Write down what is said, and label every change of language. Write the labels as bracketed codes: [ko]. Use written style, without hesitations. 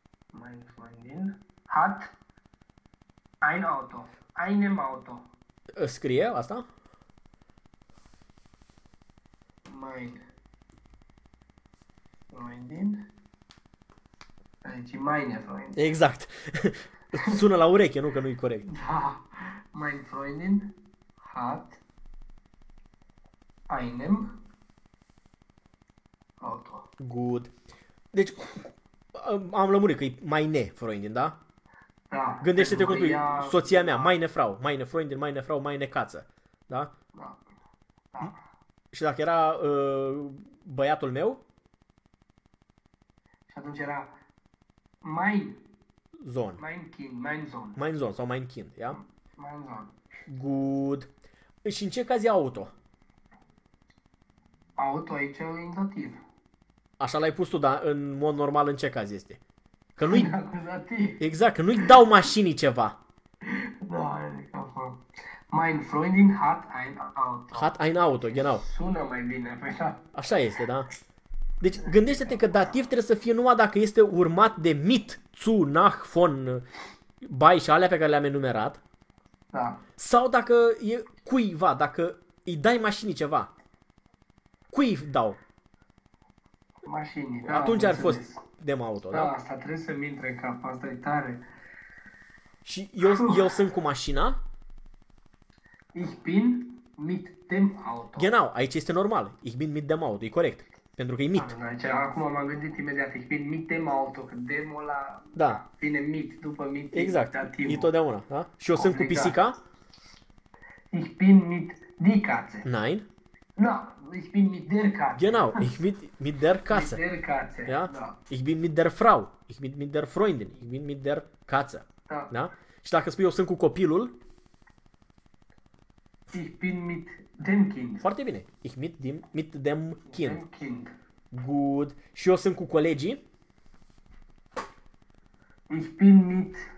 [de] Mein Freundin. Hat. Ein Auto. Einem Auto. [ro] Scrie asta? [de] Mein. Freundin. [ro] Deci [de] meine Freundin. [ro] Exact. Sună la ureche, nu că nu-i corect. Da. [de] Mein Freundin hat einem Auto. [en] Good. [ro] Deci am lămurit că e meine Freundin, da? Da. Gândește-te cum spui soția mea, [de] meine Frau, meine Freundin, meine Frau, meine Katze. [ro] Da? Da. Și dacă era băiatul meu, atunci era [de] mein zone. Mein kind, mein zone. Mein zone [ro] sau [de] mein kind, ia? [en] Yeah? [de] Mein zone. [en] Good. [ro] Și în ce caz e auto? Auto aici e indicativ. Așa l-ai pus tu, dar în mod normal în ce caz este? Că nu-i... Acuzativ. Exact, că nu-i dau mașinii ceva. Da, adică [de] mein Freundin hat ein Auto. Hat ein Auto, genau. [ro] Sună mai bine, pe așa. Așa este, da? Deci gândește-te că dativ trebuie să fie numai dacă este urmat de mit, zu, nach, von, bai și alea pe care le-am enumerat. Da. Sau dacă e cuiva, dacă îi dai mașinii ceva. Cui dau? Mașinii, da. Atunci ar fost [de] dem auto, [ro] da? Da, asta trebuie să-mi intre în cap, asta e tare. Și eu sunt cu mașina? [de] Ich bin mit dem Auto. Genau, [ro] aici este normal. [de] Ich bin mit dem Auto, [ro] e corect. Pentru că e mit. Acum m-am gândit imediat, ești bine [de] mit dem auto, [ro] că dem ăla da. Vine mit, după mit. Exact, e totdeauna. Da? Și eu sunt cu pisica? [de] Ich bin mit die Katze. Nein. Da, ich bin mit der Katze. Genau, ich bin mit der Katze. Mit der Katze, ja? [ro] Da. [de] Ich bin mit der Frau, ich bin mit der Freundin, ich bin mit der Katze. [ro] Da. Da? Și dacă spui eu sunt cu copilul? [de] Ich bin mit... Dem kind. [ro] Foarte bine. [de] Ich mit dem, mit dem kind. Dem kind. [en] Good. [ro] Și eu sunt cu colegii. [de] Ich bin mit...